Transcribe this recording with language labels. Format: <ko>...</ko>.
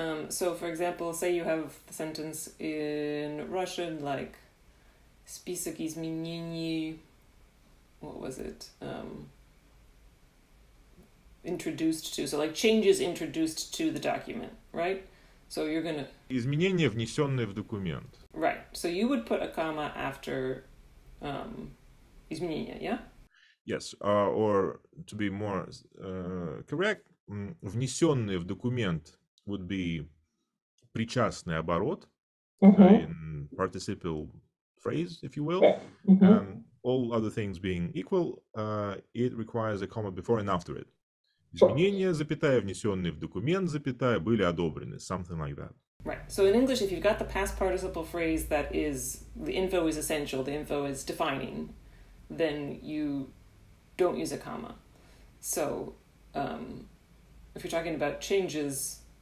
<en>So for example, say you have the sentence in Russian, like,</en> <ru>список изменений,</ru> <en>what was it? Introduced to, so like changes introduced to the document, right? So you're gonna...</en> <ru>Изменения, внесенные в документ.</ru> <en>Right. So you would put a comma after изменения, yeah? Yes. Or to be more correct,</en> <ru>внесенные в документ</ru> <en>would be</en> <ru>причастный оборот, mm-hmm.</ru> <en>In participle phrase, if you will. Mm-hmm. And all other things being equal, it requires a comma before and after it.</en> <ru>Изменения, запятая, внесенные в документ, запятая, были одобрены.</ru> <en>Something like that. Right. So in English, if you've got the past participle phrase that is, the info is essential, the info is defining, then you don't use a comma. So if you're talking about changes...</en>